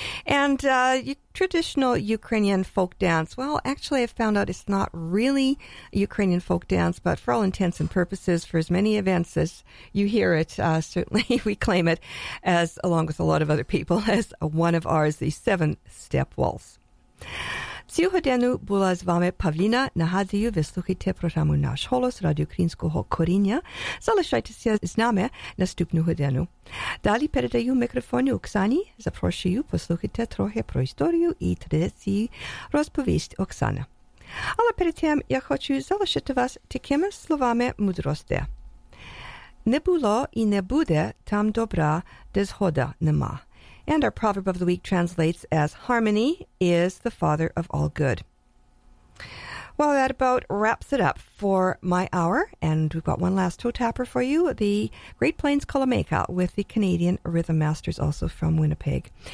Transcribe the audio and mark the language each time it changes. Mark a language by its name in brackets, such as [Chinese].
[English] And traditional Ukrainian folk dance. Well, actually, I found out it's not really Ukrainian folk dance, but for all intents and purposes, for as many events as you hear it, certainly we claim it, as along with a lot of other people, as one of ours, the seven-step waltz. [Ukrainian] Сьогодні була з вами Павліна. Нагадую, ви слухаєте програму «Наш голос» Радіо Українського коріння. Залишайтеся з нами наступну годину. Далі передаю мікрофон Оксані. Запрошую послухати трохи про історію і традиції, розповість Оксана. Але перед тим я хочу залишити вас такими словами мудрості. Не було і не буде там добра, де згода нема. [English] And our proverb of the week translates as, harmony is the father of all good. Well, that about wraps it up for my hour. And we've got one last toe-tapper for you, the Great Plains Kalameka with the Canadian Rhythm Masters, also from Winnipeg.